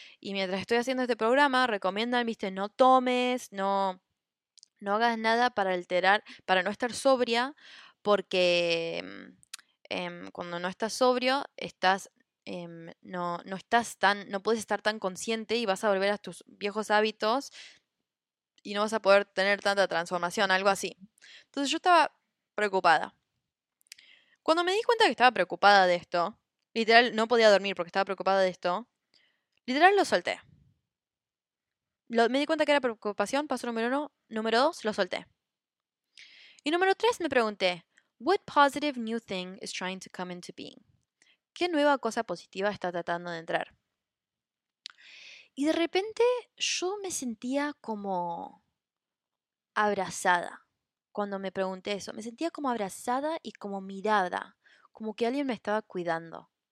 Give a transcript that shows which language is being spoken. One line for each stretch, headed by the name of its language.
Spanish: Y mientras estoy haciendo este programa, recomiendan, viste, no tomes, no hagas nada para alterar, para no estar sobria, porque cuando no estás sobrio, no puedes estar tan consciente y vas a volver a tus viejos hábitos y no vas a poder tener tanta transformación, algo así. Entonces yo estaba preocupada. Cuando me di cuenta que estaba preocupada de esto, literal, no podía dormir porque estaba preocupada de esto, literal lo solté. Me di cuenta que era preocupación, paso número uno. Número dos, lo solté. Y número tres, me pregunté,
English: what positive new thing is trying to come into being?
Spanish: ¿Qué nueva cosa positiva está tratando de entrar? Y de repente yo me sentía como abrazada cuando me pregunté eso. Me sentía como abrazada y como mirada, como que alguien me estaba cuidando.